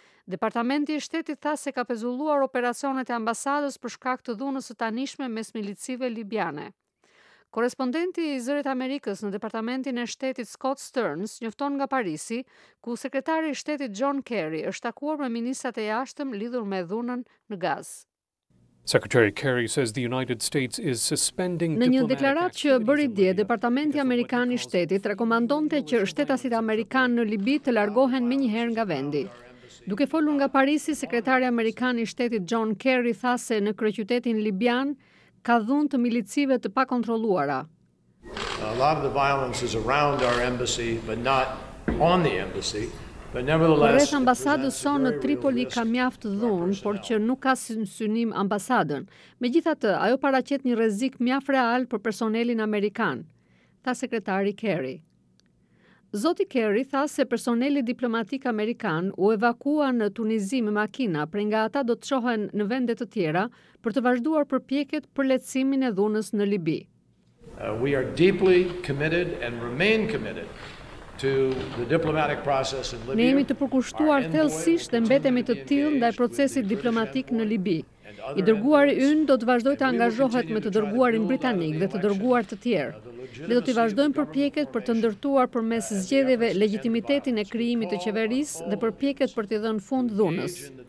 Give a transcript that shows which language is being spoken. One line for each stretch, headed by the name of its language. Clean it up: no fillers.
Albanian: Departamenti i shtetit tha se ka pezulluar operacionet e ambasadës për shkak të dhunës së tanishme mes milicive libiane. Korrespondenti i Zyrit Amerikës në Departamentin e shtetit Scott Stearns njofton nga Parisi, ku sekretari i shtetit John Kerry është takuar me ministrat e jashtëm lidhur me dhunën në Gazë.
English: Secretary Kerry says the United States is suspending diplomatic.
Albanian: Në një deklaratë që bëri dje, Departamenti Amerikan i shtetit rekomandonte që shtetasit amerikan në Libi të largohen menjëherë nga vendi. Duke folur nga Parisi, sekretari amerikan i shtetit John Kerry tha se në kryeqytetin libian ka dhunë të milicive të pakontrolluara.
English: A lot of the violence is around our embassy, but not on the embassy. But nevertheless,
Albanian: rreth ambasadës sonë në Tripoli ka mjaft dhunë, por që nuk ka synim ambasadën. Megjithatë, ajo paraqet një rrezik mjaft real për personelin amerikan, tha sekretari Kerry. Zoti Kerry tha se personeli diplomatik amerikan u evakua në Tunizi me makina, prej nga ata do të shohen në vende të tjera për të vazhduar përpjekjet për lehtësimin e dhunës në Libi.
English: We are deeply committed and remain committed to the diplomatic process in Libya.
Albanian: Ne jemi të përkushtuar thellësisht dhe mbetemi të tillë ndaj procesit diplomatik në Libi. I dërguari ynë do të vazhdoj të angazhohet me të dërguarin britanik dhe të dërguar të tjerë. Ne do të vazhdojmë përpjekjet për të ndërtuar përmes zgjedhjeve legitimitetin e krijimit të qeverisë dhe përpjekjet për të dhënë fund dhunës.